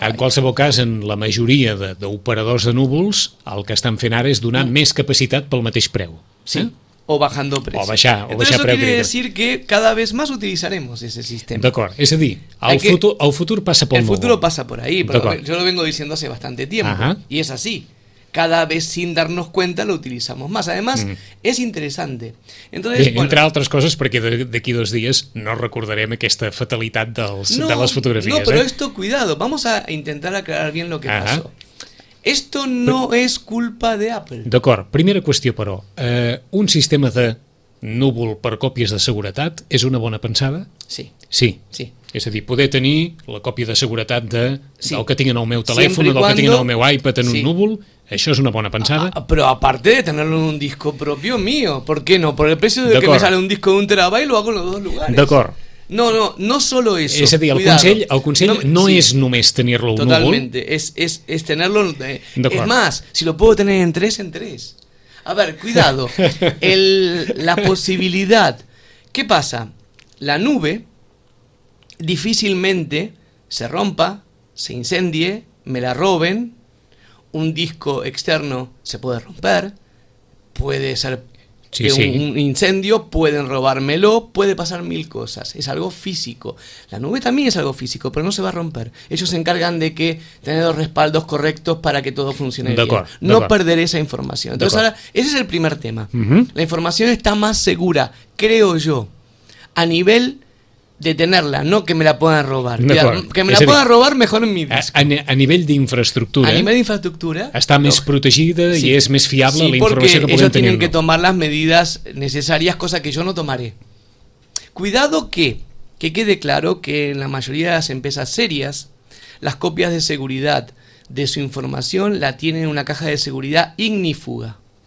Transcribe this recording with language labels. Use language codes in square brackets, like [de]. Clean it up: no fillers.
[ca] En qualsevol cas, en la majoria d'operadors de núvols, el que estan fent ara és donar més capacitat pel mateix preu. [es] Sí, o bajando precio. [ca] O baixar preu. [es] Entonces eso quiere decir que cada vez más utilizaremos ese sistema. [ca] D'acord, és a dir, el futur passa pel núvol. [es] El futuro pasa por ahí, pero yo lo vengo diciendo hace bastante tiempo, y es así. Cada vez sin darnos cuenta lo utilizamos más. Además, es interesante. Entonces, [ca] entre altres coses, perquè d'aquí 2 dies no recordarem aquesta fatalitat de les fotografies. [es] No, però esto, cuidado, vamos a intentar aclarar bien lo que pasó. Esto no es culpa de Apple. [ca] D'acord, primera qüestió, però. Un sistema de núvol per còpies de seguretat és una bona pensada? Sí. Sí? Sí. És a dir, poder tenir la còpia de seguretat del que tinc en el meu telèfon, del que tinc en el meu iPad en un núvol... Això és una bona pensada. [es] Però aparte de tenerlo en un disco propio mío, ¿por qué no? Por el precio de que me sale un disco de 1 TB, lo hago en los 2 lugares. [ca] D'acord. [es] No solo eso. [ca] És a dir, el consell no és només tenir-lo en un núvol. [es] Totalmente. Es tenerlo... Es más, si lo puedo tener en 3. A ver, cuidado. La posibilidad... ¿Qué pasa? La nube difícilmente se rompa, se incendie, me la roben, un disco externo se puede romper, puede ser un incendio, pueden robármelo, puede pasar mil cosas. Es algo físico. La nube también es algo físico, pero no se va a romper. Ellos se encargan de que tener los respaldos correctos para que todo funcione bien. No perder esa información. Entonces, ahora, ese es el primer tema. La información está más segura, creo yo, a nivel de tenerla, no que me la puedan robar. Que me la puedan robar, mejor en mi disco. [ca] A nivell d'infraestructura. A nivell d'infraestructura. Està més protegida i és més fiable la informació que puguem tenir. [es] Sí, porque ellos tienen que tomar las medidas necesarias, cosa que yo no tomaré. Cuidado que quede claro que en la mayoría de las empresas serias, las copias de seguridad de su información la tienen en una caja de seguridad ignífuga.